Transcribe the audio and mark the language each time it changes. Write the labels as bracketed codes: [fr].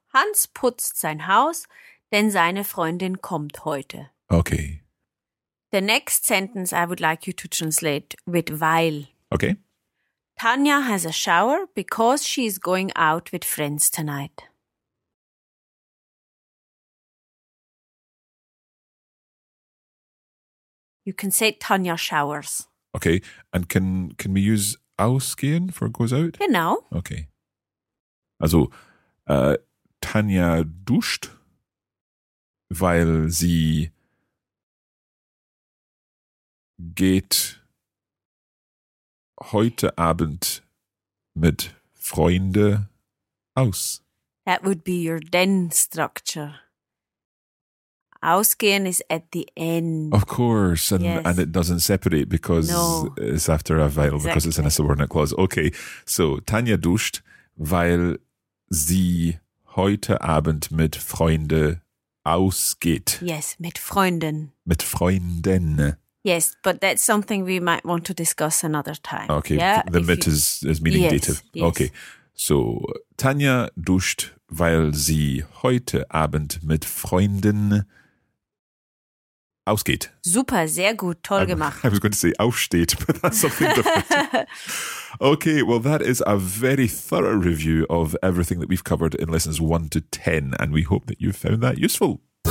[de] Hans putzt sein Haus, denn seine Freundin kommt heute. [en] Okay. The next sentence I would like you to translate with weil. Okay. Tanya has a shower because she is going out with friends tonight. You can say Tanya showers. Okay, and can we use ausgehen for goes out? [de] Genau. [en] Okay. [de] Also, Tanya duscht, weil sie geht heute Abend mit Freunde aus. [en] That would be your then structure. Ausgehen is at the end. Of course, and, yes. And it doesn't separate because no. It's after a weil, exactly. Because it's in a subordinate clause. [de] Okay, so Tanya duscht, weil sie heute Abend mit Freunde ausgeht. Yes, mit Freunden. Mit Freunden. [en] Yes, but that's something we might want to discuss another time. Okay, yeah? The if mit you... is meaning yes, dative. Yes. [de] Okay, so Tanya duscht, weil sie heute Abend mit Freunden ausgeht. Super, sehr gut, toll gemacht. [en] I was going to say aufsteht, but that's something different. Okay, well, that is a very thorough review of everything that we've covered in lessons 1 to 10, and we hope that you found that useful.